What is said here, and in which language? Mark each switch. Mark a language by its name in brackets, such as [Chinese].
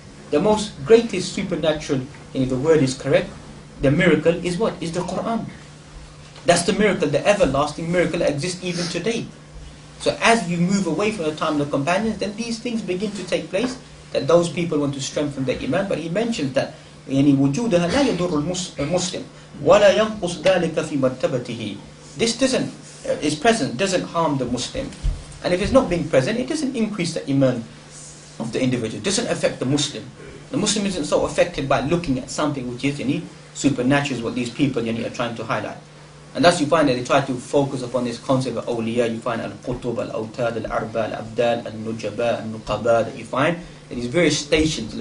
[English] The most greatest supernatural, and if the word is correct, the miracle is what? Is the Quran. That's the miracle, the everlasting miracle that exists even today. So as you move away from the time of the companions, then these things begin to take place, that those people want to strengthen their iman. But he mentions that [Arabic] يعني وجودها لا يضر المسلم ولا ينقص ذلك في مرتبته. [English] This doesn't, is present, doesn't harm the Muslim. And if it's not being present, it doesn't increase the iman of the individual. It doesn't affect the Muslim. The Muslim isn't so affected by looking at something which is supernatural, is what these people are trying to highlight. And thus you find that they try to focus upon this concept of awliya. You find al-qutub, al-awtad, al-arba, al-abdal, al-nujaba, al-nuqaba, that you find in these various stations.